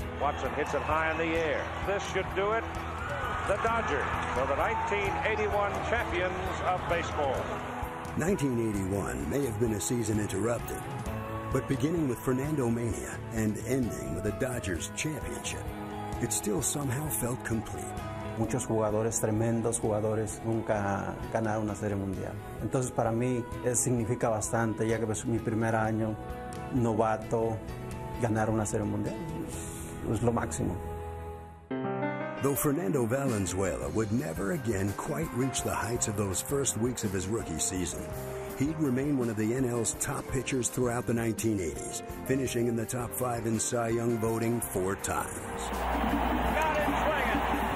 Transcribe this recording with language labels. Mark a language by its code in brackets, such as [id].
[en] Watson hits it high in the air. This should do it. The Dodgers were the 1981 champions of baseball. 1981 may have been a season interrupted, but beginning with Fernando Mania and ending with a Dodgers championship, it still somehow felt complete. [es] Muchos jugadores, tremendos jugadores, nunca ganaron una serie mundial. Entonces para mí eso significa bastante, ya que es mi primer año novato ganar una serie mundial. Es lo máximo. [en] Though Fernando Valenzuela would never again quite reach the heights of those first weeks of his rookie season, he'd remain one of the NL's top pitchers throughout the 1980s, finishing in the top five in Cy Young voting four times. Got it swinging.